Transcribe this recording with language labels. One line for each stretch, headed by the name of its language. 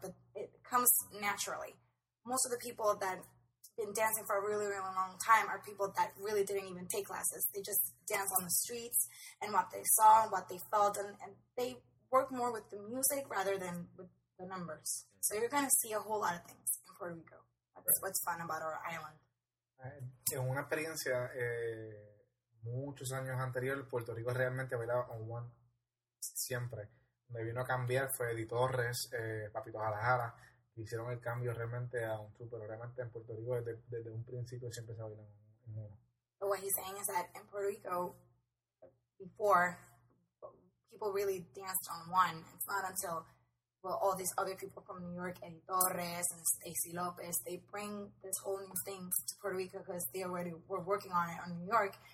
English: But it comes naturally. Most of the people that have been dancing for a really, really long time are people that really didn't even take classes. They just dance on the streets and what they saw and what they felt, and they work more with the music rather than with the numbers. So you're going to see a whole lot of things in Puerto Rico. That's right. What's fun about our island.
Spanish: En una experiencia, muchos años anterior, Puerto Rico realmente bailaba
English: on one
Spanish: siempre. Me vino a cambiar, fue Eddie Torres, Papito Jalajara, que hicieron el cambio realmente a un two, pero realmente en Puerto Rico desde un principio siempre se ha bailado en uno.
English: But what he's saying is that in Puerto Rico, before, people really danced on one. It's not until, well, all these other people from New York, Eddie Torres and Stacey Lopez, they bring this whole new thing to Puerto Rico because they already were working on it in New York.